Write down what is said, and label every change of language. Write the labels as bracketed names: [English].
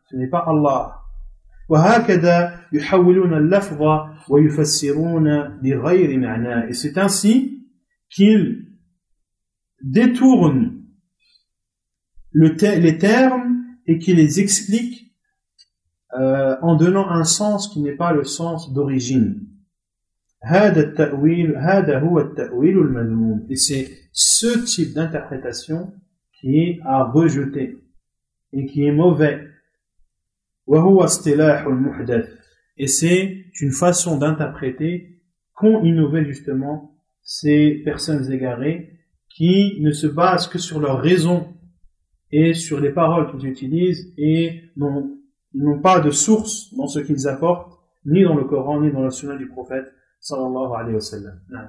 [French] Ce n'est pas Allah. [Arabic] وَهَكَذَا يُحَوِّلُونَ اللَّفْظَ وَيُفَسِّرُونَ بِغَيْرِ مَعْنَى. [French] Et c'est ainsi qu'ils détournent les termes et qu'ils les expliquent en donnant un sens qui n'est pas le sens d'origine. [Arabic] هَذَا التَّأْوِيلُ هَذَا هُوَ التَّأْوِيلُ الْمَذْمُومُ. [French] Et c'est ce type d'interprétation qui est à rejeter et qui est mauvais. [Arabic] وَهُوَ اصْطِلَاحُ الْمُحْدَثِ. [French] Et c'est une façon d'interpréter qu'ont innové justement ces personnes égarées qui ne se basent que sur leur raison et sur les paroles qu'ils utilisent et n'ont pas de source dans ce qu'ils apportent, ni dans le Coran, ni dans la Sunna du prophète, sallallahu alayhi wa sallam.